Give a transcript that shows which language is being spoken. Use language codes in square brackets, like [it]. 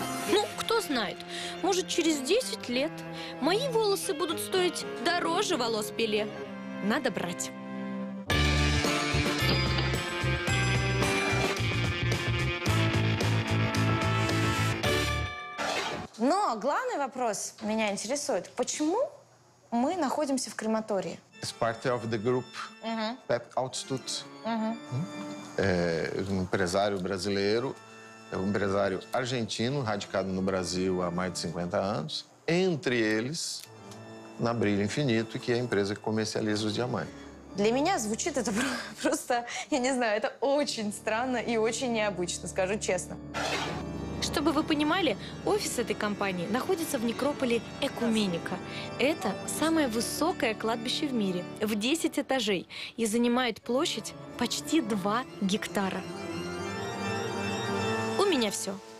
[ru] Ну, кто знает, может, через 10 лет мои волосы будут стоить дороже волос Пеле. Надо брать. Но главный вопрос меня интересует. Почему мы находимся в крематории? [en] It's part of the group Pep Altitude. [pt] Empresário brasileiro. É um empresário argentino, radicado no Brasil há mais de 50 anos. Entre eles, na Brilho Infinito, que é a empresa que comercializa os diamantes. [ru] Для меня звучит это просто, я не знаю, это очень странно и очень необычно, скажу честно. Чтобы вы понимали, офис этой компании находится в некрополе Экуменика. Это самое высокое кладбище в мире, в 10 этажей, и занимает площадь почти 2 гектара. У меня все.